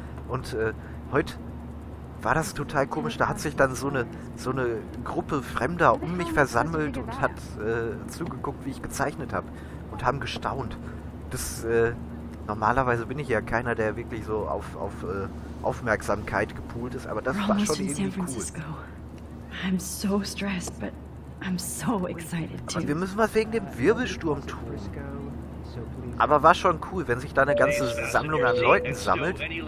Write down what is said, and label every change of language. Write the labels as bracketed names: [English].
[German] Und heute war das total komisch. Da hat sich dann so eine Gruppe Fremder um mich versammelt und hat zugeguckt, wie ich gezeichnet habe. Und haben gestaunt. Das, normalerweise bin ich ja keiner, der wirklich so auf Aufmerksamkeit gepoolt ist, aber das war schon irgendwie cool. [English] I'm so stressed, but I'm so excited too. [German] Aber wir müssen was wegen dem Wirbelsturm tun. Aber war schon cool, wenn sich da eine ganze Sammlung an Leuten sammelt.